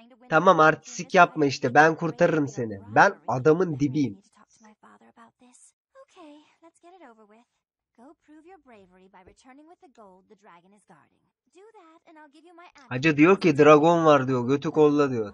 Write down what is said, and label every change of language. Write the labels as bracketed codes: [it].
[tr] Tamam, artistik yapma işte. Ben kurtarırım seni. Ben adamın dibiyim. [en] it over with. Go prove your bravery by returning with the gold the dragon is guarding. Do that and I'll give you my apple. [tr] Hacı diyor ki dragon var diyor, götü kolla diyor.